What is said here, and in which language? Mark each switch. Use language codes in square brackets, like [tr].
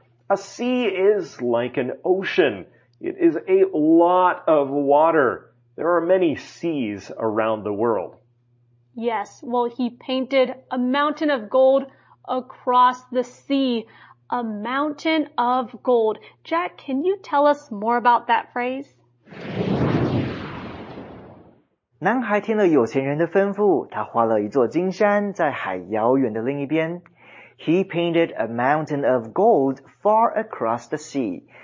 [en] A sea is like an ocean. It is a lot of water. There are many seas around the world. Yes, well, he painted a mountain of gold across the sea. A mountain of gold. Jack, can you tell us more about that phrase? [zh] 男孩听了有钱人的吩咐，他画了一座金山在海遥远的另一边。 [en] He painted a mountain of gold far across the sea.